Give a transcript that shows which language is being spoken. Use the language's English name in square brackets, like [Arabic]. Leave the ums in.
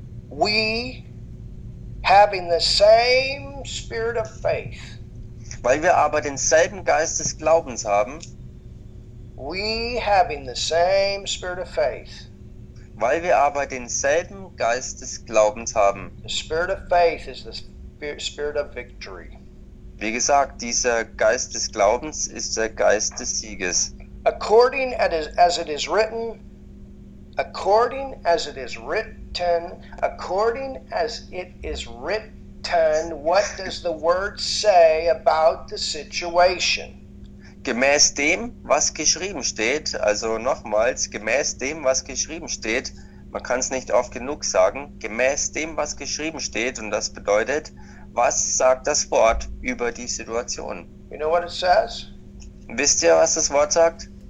[English] We having the same spirit of faith. [German] Weil wir aber denselben Geist des Glaubens haben. [English] We having the same spirit of faith. [German] Weil wir aber denselben Geist des Glaubens haben. [English] The spirit of faith is the spirit of victory. [German] Wie gesagt, dieser Geist des Glaubens ist der Geist des Sieges. [English] According as it is written, according as it is written, according as it is written, what does the word say about the situation? [German] Gemäß dem, was geschrieben steht, also nochmals, gemäß dem, was geschrieben steht, man kann es nicht oft genug sagen, gemäß dem, was geschrieben steht, und das bedeutet, was sagt das Wort über die Situation? [English] You know what [German] Wisst ihr, was das Wort sagt?